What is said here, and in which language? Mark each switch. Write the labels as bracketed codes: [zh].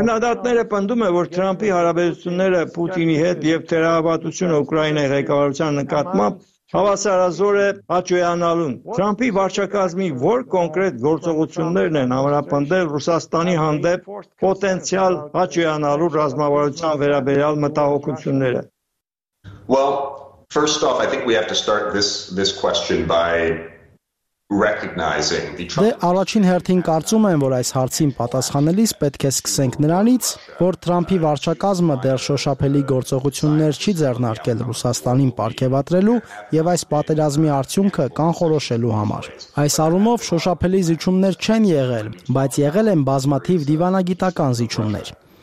[hy] Քննադատները պնդում են, որ Թրամփի հարաբերությունները Պուտինի հետ եւ թերահավատությունը Ուկրաինայի ղեկավարության նկատմամբ հավասարազոր է աջոյանալուն։ Թրամփի վարչակազմի որ կոնկրետ գործողություններն են ամրապնդել Ռուսաստանի հանդեպ պոտենցիալ աջոյանալու ռազմավարության վերաբերյալ մտահոգությունները։ [en] Well, first off, I think we have to start this question by [hy] Դե առաջին հերթին կարծում եմ, որ այս հարցին պատասխանելիս պետք է սկսենք նրանից, որ Թրամփի վարչակազմը դեռ շոշափելի գործողություններ չի ձեռնարկել Ռուսաստանին պարգևատրելու եւ այս պատերազմի արդյունքը կանխորոշելու համար։ Այս առումով շոշափելի զիջումներ չեն եղել, բայց եղել են բազմաթիվ դիվանագիտական զիջումներ։